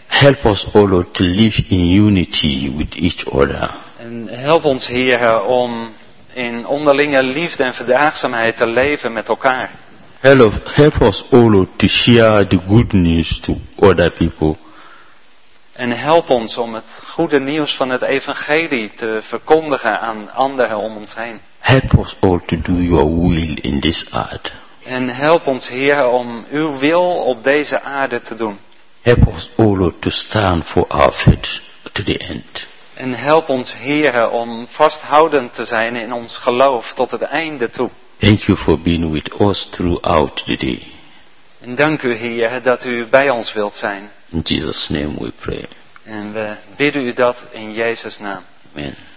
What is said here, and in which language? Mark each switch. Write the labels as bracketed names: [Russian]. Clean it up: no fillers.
[English] Help us, O Lord, to live in unity with each other. [Dutch] En help ons, Heer, om in onderlinge liefde en verdraagzaamheid te leven met elkaar. [English] Help us, O Lord, to share the good news to other people. [Dutch] En help ons om het goede nieuws van het evangelie te verkondigen aan anderen om ons heen. [English] Help us all to do your will in this earth. [Dutch] En help ons, Heer, om uw wil op deze aarde te doen. [English] Help us, O Lord, to stand for our faith to the end. [Dutch] En help ons, Heer, om vasthoudend te zijn in ons geloof tot het einde toe. [English] Thank you for being with us throughout the day. [Dutch] En dank u, Heer, dat u bij ons wilt zijn. [English] In Jesus' name we pray. [Dutch] En we bidden u dat in Jezus' naam. [English] Amen.